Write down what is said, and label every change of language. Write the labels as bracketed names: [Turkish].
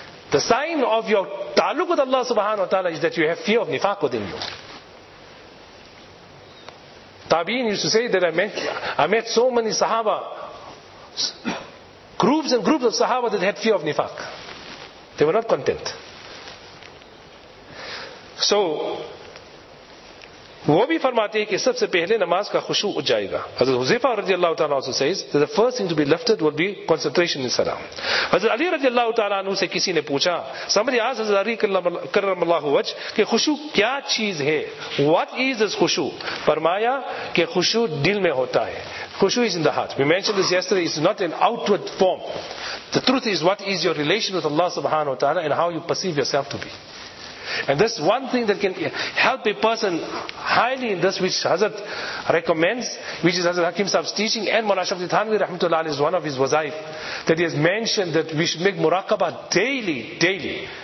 [English] The sign of your ta'aluk with Allah subhanahu wa ta'ala is that you have fear of nifaq within you. Tabi'in used to say that I met so many sahaba, groups and groups of sahaba that had fear of nifaq. They were not content. [Urdu] So, وہ بھی فرماتے ہیں کہ سب سے پہلے نماز کا خشوع اٹھ جائے گا. [English] حضرت حذیفہ رضی اللہ تعالیٰ عنہ says that the first thing to be lifted will be concentration in salah. [Urdu] حضرت علی رضی اللہ تعالیٰ عنہ سے کسی نے پوچھا, سمجھے آس حضرت علی کرم اللہ وجہ, کہ خشوع کیا چیز ہے؟ [English] What is this [Urdu] خشوع؟ فرمایا کہ خشوع دل میں ہوتا ہے. [English] خشوع is in the heart. We mentioned this yesterday, it's not an outward form. The truth is, what is your relation with Allah subhanahu wa ta'ala and how you perceive yourself to be. And this one thing that can help a person highly in this, which Hazrat recommends, which is Hazrat Hakim Sahib's teaching, and Mawlana Ashraf Ghani Thanvi Rahmatullah is one of his wazaif, that he has mentioned that we should make muraqabah daily.